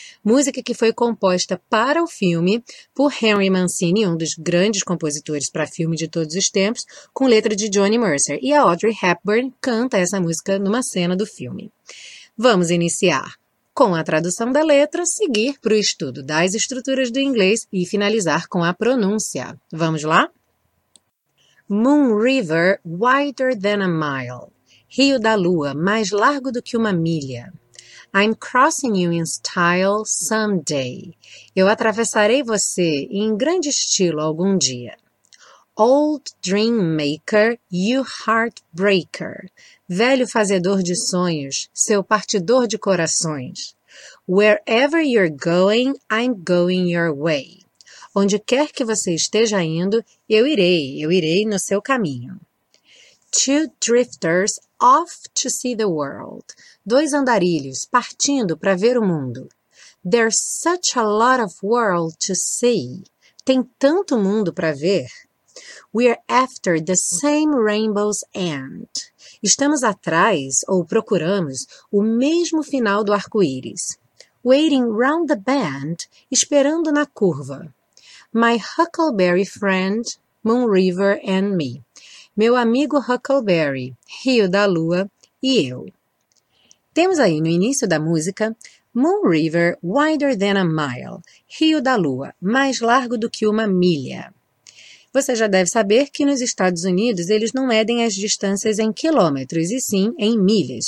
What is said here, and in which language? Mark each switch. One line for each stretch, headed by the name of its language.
Portuguese: Música que foi composta para o filme por Henry Mancini, um dos grandes compositores para filme de todos os tempos, com letra de Johnny Mercer. E a Audrey Hepburn canta essa música numa cena do filme. Vamos iniciar com a tradução da letra, seguir para o estudo das estruturas do inglês e finalizar com a pronúncia. Vamos lá?
English: Moon River, wider than a mile.
Portuguese: Rio da Lua, mais largo do que uma milha.
English: I'm crossing you in style someday.
Portuguese: Eu atravessarei você em grande estilo algum dia.
English: Old dream maker, you heartbreaker.
Portuguese: Velho fazedor de sonhos, seu partidor de corações.
English: Wherever you're going, I'm going your way.
Portuguese: Onde quer que você esteja indo, eu irei no seu caminho.
English: Two drifters off to see the world.
Portuguese: Dois andarilhos partindo para ver o mundo.
English: There's such a lot of world to see.
Portuguese: Tem tanto mundo para ver.
English: We're after the same rainbow's end.
Portuguese: Estamos atrás, ou procuramos, o mesmo final do arco-íris.
English: Waiting round the bend,
Portuguese: esperando na curva.
English: My huckleberry friend, Moon River and me.
Portuguese: Meu amigo Huckleberry, Rio da Lua e eu. Temos aí no início da música,
English: Moon River, wider than a mile.
Portuguese: Rio da Lua, mais largo do que uma milha. Você já deve saber que nos Estados Unidos eles não medem as distâncias em quilômetros e sim em milhas.